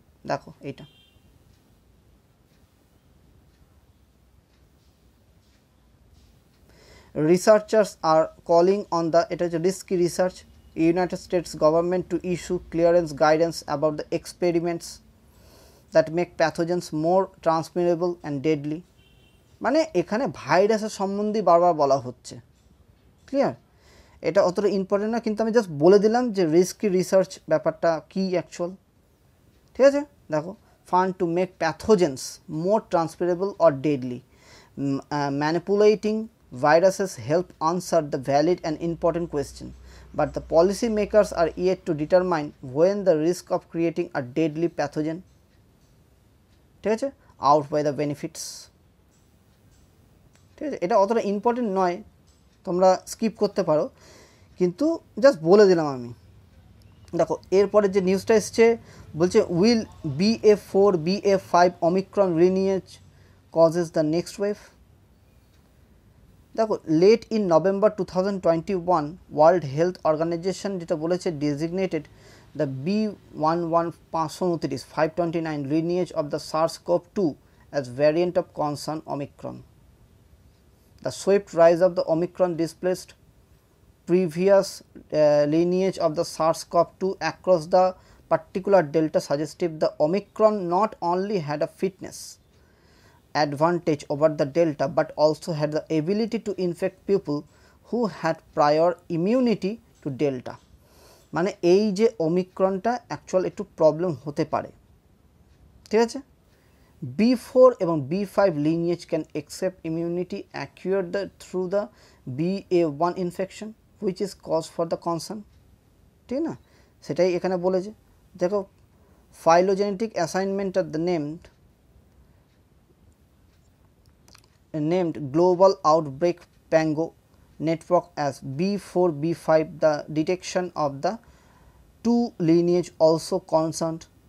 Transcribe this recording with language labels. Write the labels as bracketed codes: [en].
[en] দেখো এইটা, researchers are calling on the, এটা হচ্ছে risky research, United States government to issue clearance guidance about the experiments that make pathogens more transmittable and deadly. [bn] মানে এখানে ভাইরাসের সম্বন্ধে বারবার বলা হচ্ছে, ক্লিয়ার? এটা অতটা ইম্পর্টেন্ট না, কিন্তু আমি জাস্ট বলে দিলাম যে রিস্কি রিসার্চ ব্যাপারটা কী অ্যাকচুয়াল, ঠিক আছে? [en] দেখো, fund to make pathogens more ট্রান্সমিটেবল or deadly, manipulating viruses help answer the valid and important question, but the policy makers are yet to determine when the risk of creating a deadly pathogen, [bn] ঠিক আছে, [en] outweigh the benefits, ঠিক আছে? [bn] এটা অতটা important নয়, তোমরা skip করতে পারো, কিন্তু জাস্ট বলে দিলাম আমি। দেখো এরপরে যে নিউজটা এসছে, বলছে [en] Will BA.4 BA.5 Omicron রিনিয়েজ causes the next wave. দেখো, late in November 2021 world health organisation যেটা বলেছে designated the B11529 রিনিয়েজ of the SARS CoV two as variant of concern Omicron. The swept rise of the Omicron displaced previous lineage of the SARS CoV two across the particular delta suggestive the Omicron not only had a fitness advantage over the delta but also had the ability to infect people who had prior immunity to delta. [bn] মানে এই যে ওমিক্রনটা actual একটু problem হতে পারে, ঠিক আছে? [en] B4 এবং B5 lineage can accept immunity acquired through the BA1 infection which is cause for the concern, [bn] ঠিক না? সেটাই এখানে বলেছে। [en] দেখো phylogenetic assignment of the named global outbreak প্যাঙ্গো network as B4B5 the detection of the two lineage also concerned.